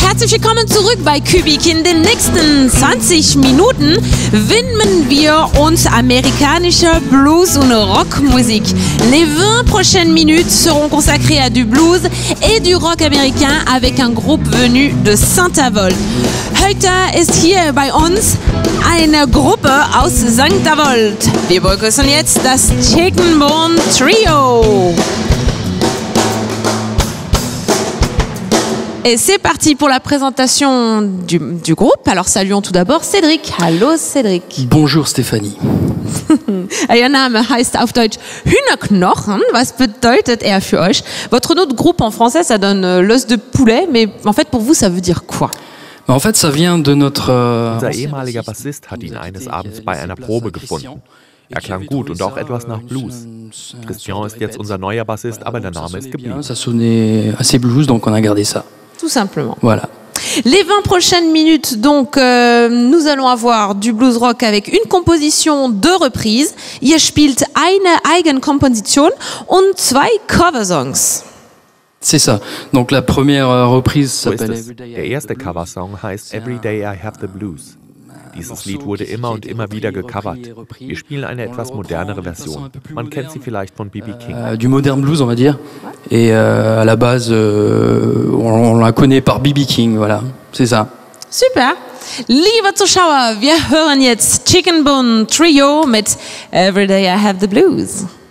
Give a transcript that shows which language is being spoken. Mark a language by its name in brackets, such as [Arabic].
[German] Herzlich willkommen zurück bei Kubic. In den nächsten 20 Minuten widmen wir uns amerikanischer Blues- und Rockmusik. [French] Les 20 prochaines minutes seront consacrées à du blues et du rock américain avec un groupe venu de Saint-Avold. [German] Heute ist hier bei uns eine Gruppe aus Saint-Avold. Wir begrüßen jetzt das Chickenbone Trio. [French] Et c'est parti pour la présentation du groupe. Alors saluons tout d'abord Cédric. Hallo Cédric. Bonjour Stéphanie. [German] Euer Name heißt auf Deutsch Hühnerknochen. Was bedeutet er für euch? [French] Votre autre groupe en français, ça donne l'os de poulet, mais en fait pour vous, ça veut dire quoi? En fait, ça vient de notre... [German] Unser ehemaliger Bassist hat ihn eines Abends bei einer Probe gefunden. Er klang gut und auch etwas nach Blues. Christian ist jetzt unser neuer Bassist, aber der Name ist geblieben. [French] Ça sonnait assez blues, donc on a gardé ça. Tout simplement. Voilà. Les 20 prochaines minutes, donc, nous allons avoir du blues rock avec une composition de reprise. [German] Ihr spielt eine Eigenkomposition und zwei Coversongs. [French] C'est ça. Donc la première reprise s'appelle... [German] Der erste Coversong heißt Every Day I Have the Blues. Dieses Lied wurde immer und immer wieder gecovert. Wir spielen eine etwas modernere Version. Man kennt sie vielleicht von B.B. King. [French] Du modern blues, on va dire. Et à la base, on la connaît par B.B. King, voilà. C'est ça. Super. [German] Liebe Zuschauer, wir hören jetzt Chickenbone Trio mit Every Day I Have the Blues.